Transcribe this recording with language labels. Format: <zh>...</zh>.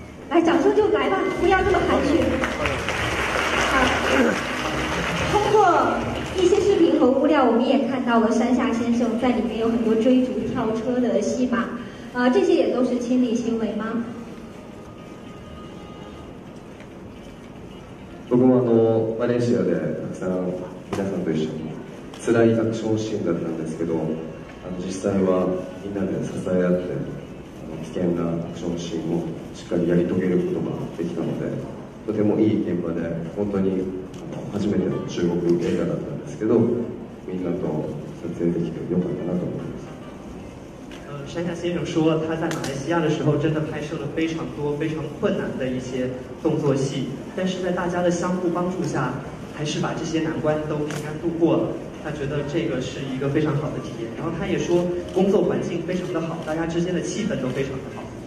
<zh>来，掌声就来吧，不要这么含蓄。好，通过一些视频和物料，我们也看到了山下先生在里面有很多追逐、跳车的戏码，这些也都是亲力亲为吗？</zh> <ja>僕もマレーシアでたくさん皆さんと一緒に。辛いアクションシーンだったんですけど、実際はみんなで支え合って危険なアクションシーンをしっかりやり遂げることができたので、とてもいい現場で、本当に初めての中国映画だったんですけど、みんなと撮影できてよかったなと思います。</ja> <zh>山下先生说，他在马来西亚的时候真的拍摄了非常多非常困难的一些动作戏，但是在大家的相互帮助下，还是把这些难关都平安度过了。他觉得这个是一个非常好的体验。然后他也说，工作环境非常的好，大家之间的气氛都非常的好。</zh>